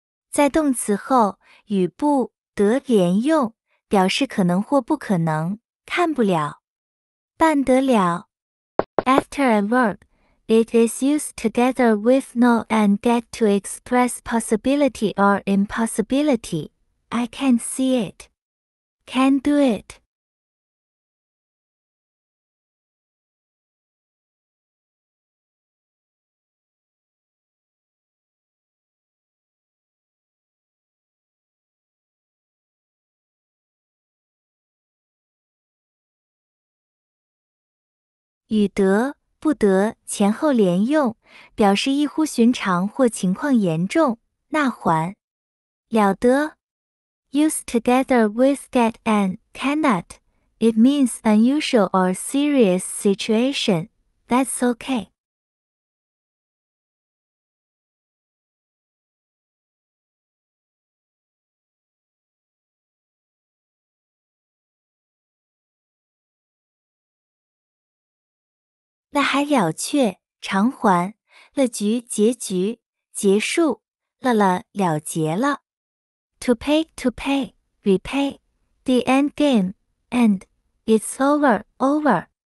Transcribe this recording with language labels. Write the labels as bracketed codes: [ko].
[zh] 在动词后与不得连用表示可能或不可能看不了。办得了。 [en] After a verb, it is used together with no and get to express possibility or impossibility. I can see it. Can do it. [zh] 与得、不得前后连用，表示异乎寻常或情况严重。那还了得 [en] ？Used together with get and cannot, it means unusual or serious situation. That's okay. [zh] 了还了却偿还了局结局结束了了了结了。 [en] To pay, to pay, repay, the end game, end, it's over, over.